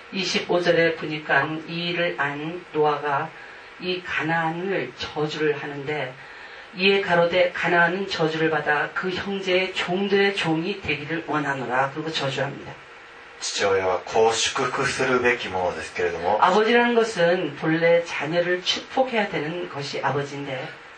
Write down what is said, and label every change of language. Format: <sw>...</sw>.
<ko>25절에 보니까 이 일을 안 노아가 이 가나안을 저주를 하는데 이에 가로되 가나안은 저주를 받아 그 형제의 종들의 종이 되기를 원하노라 그리고 저주합니다.</ko> <ja>父親はこう祝福するべきものですけれども</ja> <ko>아버지라는 것은 본래 자녀를 축복해야 되는 것이 아버지인데</ko>